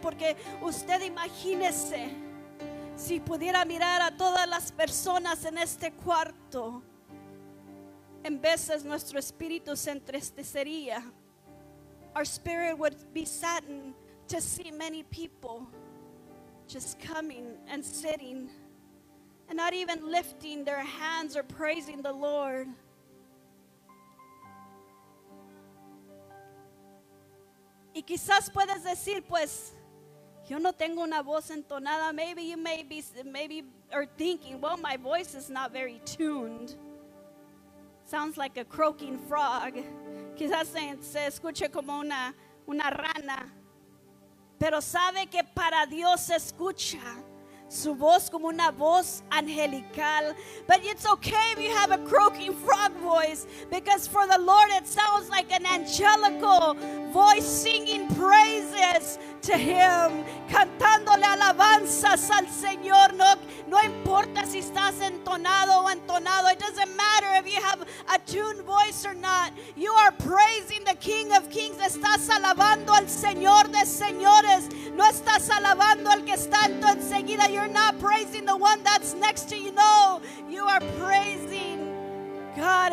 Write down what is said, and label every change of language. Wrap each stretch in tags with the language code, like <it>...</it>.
<es>Porque usted imagínese, si pudiera mirar a todas las personas en este cuarto, en veces nuestro espíritu se entristecería.</es> <en>Our spirit would be saddened to see many people just coming and sitting and not even lifting their hands or praising the Lord.</en> <es>Y quizás puedes decir, pues, yo no tengo una voz entonada.</es> <en>Maybe you may be, thinking, well, my voice is not very tuned. Sounds like a croaking frog.</en> <es>Quizás se escuche como una rana. Pero sabe que para Dios se escucha. su voz como una voz angelical.</es> <en>But it's okay if you have a croaking frog voice, because for the Lord it sounds like an angelical voice singing praises to Him,</en> <es>cantándole alabanzas al Señor. No importa si estás entonado o entonado.</es> <en>It doesn't matter if you have a tuned voice or not. You are praising the King of Kings.</en> <es>Estás alabando al Señor de señores. No estás alabando al que está en tu enseguida.</es> <en>You're not praising the one that's next to you. No, you are praising God.</en>